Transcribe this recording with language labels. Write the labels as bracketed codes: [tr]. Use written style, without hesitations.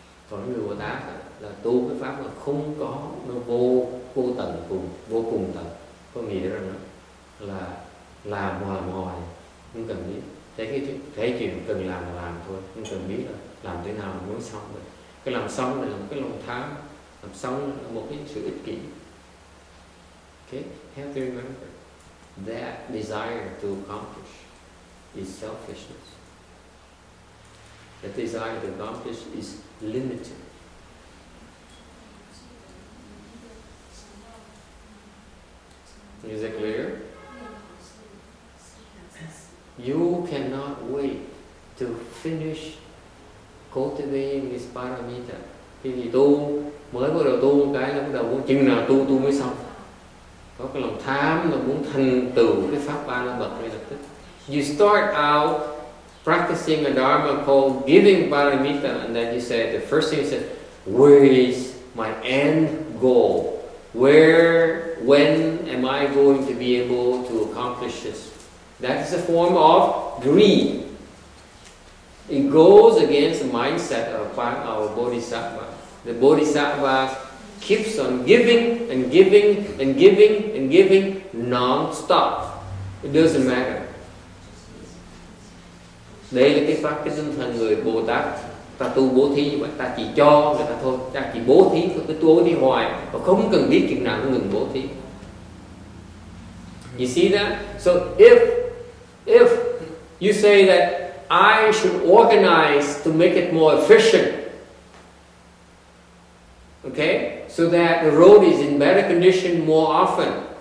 [vi] Còn người Bồ Tát là tu cái pháp là không có, nó vô tận cùng, vô cùng tận. Có nghĩa rằng là làm hoài hoài, không cần biết. Thế chuyện cần làm là làm thôi, không cần biết là làm thế nào mới xong được. Cái làm xong là một cái lòng tham, làm xong là một cái sự ích kỷ. [en] Okay, have to remember that desire to accomplish is selfishness. That desire to accomplish is limited. Is it clear? You cannot wait to finish cultivating this paramita. [vi] Thì tu mới bắt đầu tu một cái là bắt đầu muốn chừng nào tu mới xong. Có cái lòng tham là muốn thành tựu cái pháp ba la mật ngay lập tức. [en] You start out practicing a dharma called giving paramita, and then you say, the first thing you said, where is my end goal? When am I going to be able to accomplish this? That is a form of greed. It goes against the mindset of our Bodhisattva. The Bodhisattva keeps on giving and giving and giving and giving non-stop. It doesn't matter. [vi] Đây là cái pháp, cái tinh thần người Bồ Tát. Ta tu bố thí, ta chỉ cho người ta thôi. Ta chỉ bố thí, cứ tu bố thí hoài. Và không cần biết chuyện nào cũng ngừng bố thí. [en] You see that? So if you say that I should organize to make it more efficient. Okay? So that the road is in better condition more often.